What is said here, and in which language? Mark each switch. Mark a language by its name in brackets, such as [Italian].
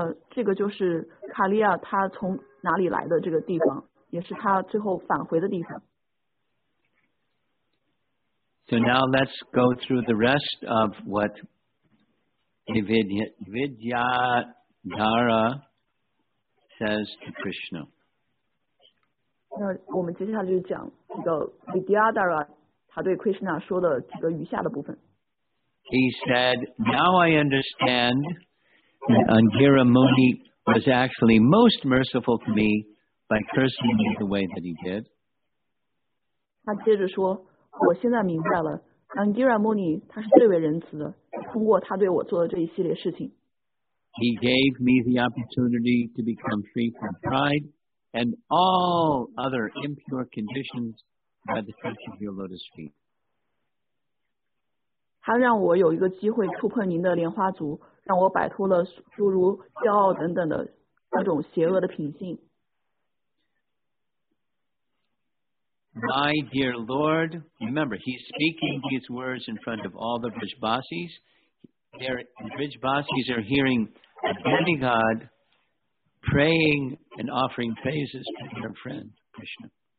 [Chinese] 这个就是卡利亚他从哪里来的这个地方，也是他最后返回的地方。 [English] So now let's go through the rest of what Vidyadhara. says to Krishna. [Chinese] 那我们接下来就讲这个 Vidyadhara 他对 Krishna 说的这个余下的部分。 [English] He said, "Now I understand that Angira Muni was actually most merciful to me by cursing me the way that he did." [Chinese] 他接着说，我现在明白了 ，Angira Muni 他是最为仁慈的，通过他对我做的这一系列事情。 [English] He gave me the opportunity to become free from pride and all other impure conditions by the touch of your lotus feet. [Chinese] 他让我有一个机会触碰您的莲花足，让我摆脱了诸如骄傲等等的那种邪恶的品性。 [English] My dear Lord, remember, he's speaking these words in front of all the Vrijbasis. The Vrijbasis are hearing a demigod praying and offering praises to their friend, Krishna.